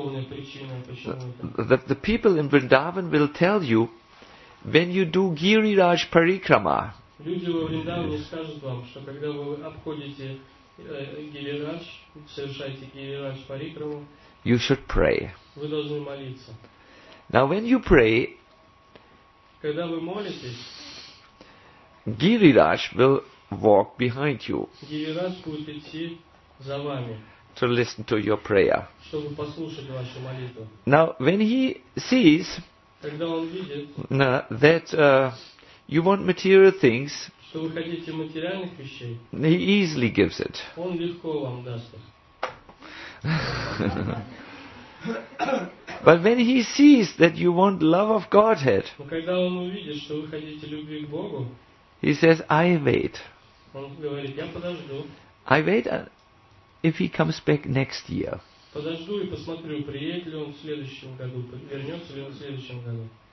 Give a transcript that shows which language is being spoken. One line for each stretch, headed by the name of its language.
English: That the people in Vrindavan will tell you, when you do Giriraj Parikrama,
Russian: люди во Вриндаване скажут вам, что когда вы обходите Гирирадж, совершаете Гирирадж Парикраму,
English: you should pray.
Russian: Вы должны молиться.
English: Now when you pray,
Russian: когда вы молитесь,
English: Гирирадж will walk behind you.
Russian: Иерарх будет идти за вами.
English: To listen to your prayer.
Russian: Чтобы послушать вашу молитву.
English: Now, when he sees,
Russian: когда он видит,
English: that you want material things,
Russian: что вы хотите материальных вещей,
English: he easily gives it.
Russian: Он легко вам даст их.
English: But when he sees that you want love of Godhead,
Russian: когда он увидит, что вы хотите любви к Богу,
English: he says, I wait.
Russian: Он говорит, я подожду.
English: I wait if he comes back next year.
Russian: Подожду и посмотрю, приедет ли он в следующем году, вернется ли он в следующем году.